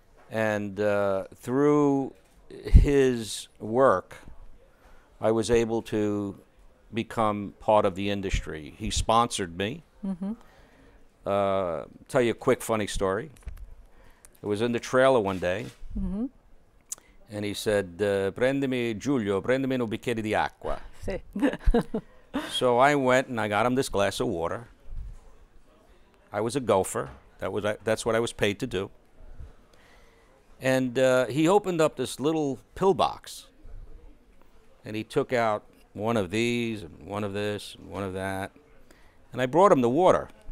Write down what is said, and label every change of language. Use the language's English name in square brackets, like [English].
[English] And through his work, I was able to become part of the industry. He sponsored me. Mm-hmm. Tell you a quick funny story. I was in the trailer one day. Mm-hmm. And he said, [Italian] prendimi, Giulio, prendimi un bicchiere di acqua. Sì. [English] So I went and I got him this glass of water. I was a gopher. That's what I was paid to do. And he opened up this little pill box. And he took out one of these and one of this and one of that. And I brought him the water.